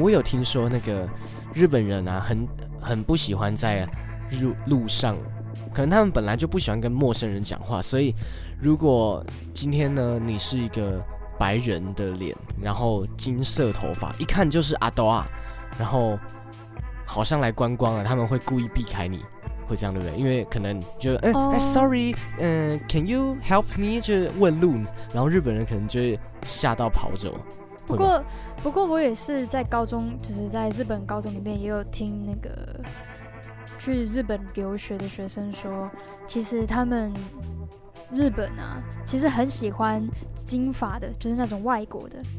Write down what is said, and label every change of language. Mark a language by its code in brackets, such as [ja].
[zh] 我有听说那个日本人啊，很不喜欢在路上。可能他们本来就不喜欢跟陌生人讲话，所以如果今天呢，你是一个白人的脸，然后金色头发，一看就是阿多啊，然后好像来观光了，他们会故意避开你，会这样对不对？因为可能就 [en] Can you help me？ [zh] 就问路，然后日本人可能就会吓到跑走。不过我也是在高中，就是在日本高中里面也有听那个。去日本留学的学生说，其实他们日本啊，其实很喜欢金发的，就是那种外国的。